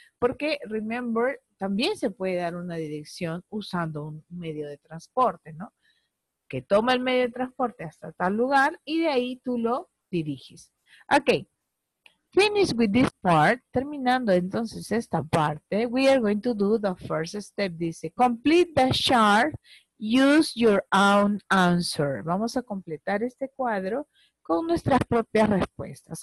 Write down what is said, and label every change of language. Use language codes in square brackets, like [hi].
[es] Porque, remember, también se puede dar una dirección usando un medio de transporte, ¿no? Que toma el medio de transporte hasta tal lugar y de ahí tú lo diriges. [en] Okay. Finish with this part, [es] terminando entonces esta parte, [en] we are going to do the first step. Dice, complete the chart, use your own answer. [es] Vamos a completar este cuadro con nuestras propias respuestas.